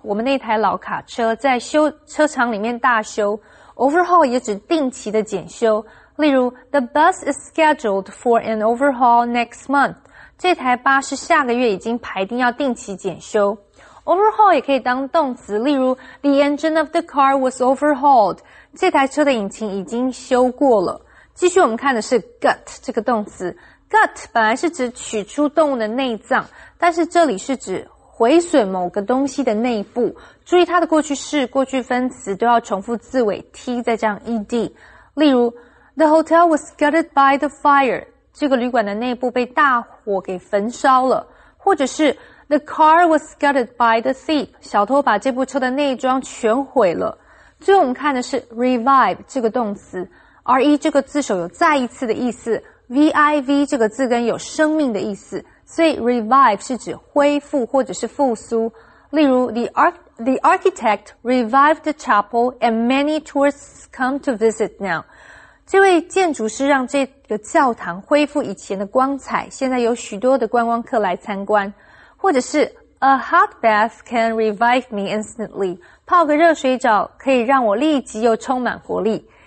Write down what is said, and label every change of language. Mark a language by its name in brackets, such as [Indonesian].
[Chinese] 我们那台老卡车在修车厂里面大修。 Overhaul 也指定期的检修。例如 [English] ,the bus is scheduled for an overhaul next month. [Chinese] 这台巴士下个月已经排定要定期检修。 [English] Overhaul [Chinese] 也可以当动词，例如 [English] ,the engine of the car was overhauled. [Chinese] 这台车的引擎已经修过了。继续我们看的是 gut 这个动词。 Gut 本来是指取出动物的内脏，但是这里是指毁损某个东西的内部。注意它的过去式、过去分词都要重复字尾 T 再加 ED。例如 , [English] the hotel was gutted by the fire, [Chinese] 这个旅馆的内部被大火给焚烧了。或者是 , [English] the car was gutted by the thief, [Chinese] 小偷把这部车的内装全毁了。最后我们看的是 revive 这个动词 ,RE 这个字首有再一次的意思。 VIV 这个字根有生命的意思，所以 revive 是指恢复或者是复苏。 [English] 例如 the architect revived the chapel and many tourists come to visit now. [Chinese] 这位建筑师让这个教堂恢复以前的光彩，现在有许多的观光客来参观。 [English] 或者是 a hot bath can revive me instantly. [Chinese] 泡个热水澡可以让我立即又充满活力。